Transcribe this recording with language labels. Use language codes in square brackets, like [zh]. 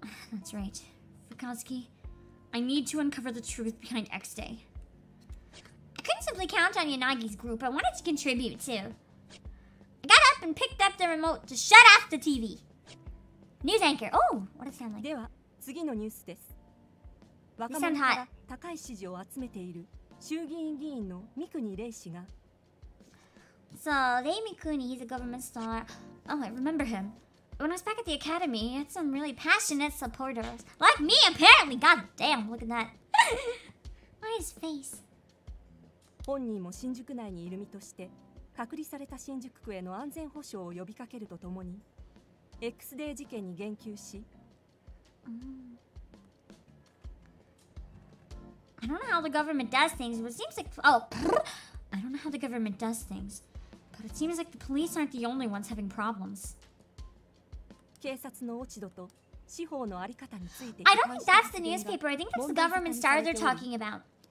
[en] That's right. Fukazuki, I need to uncover the truth behind X-Day. I couldn't simply count on Yanagi's group. I wanted to contribute, too. I got up and picked up the remote to shut off the TV. News anchor. Oh, what a sound like. [ja] では、次のニュースです。 [en] You sound hot. 若 [ja] 者から高い支持を集めている衆議院議員のミクニレイ氏が。 [en] So, Lei Mikuni, he's a government star. Oh, I remember him. When I was back at the academy, he had some really passionate supporters. Like me, apparently! God damn, look at that. Why his face? [ja] 本人も新宿内にいる身として、隔離された新宿区への安全保障を呼びかけるとともに、X デー事件に言及し。 [en] I don't know how the government does things, but it seems like... But it seems like the police aren't the only ones having problems. I don't think that's the newspaper. I think that's the government star they're talking about.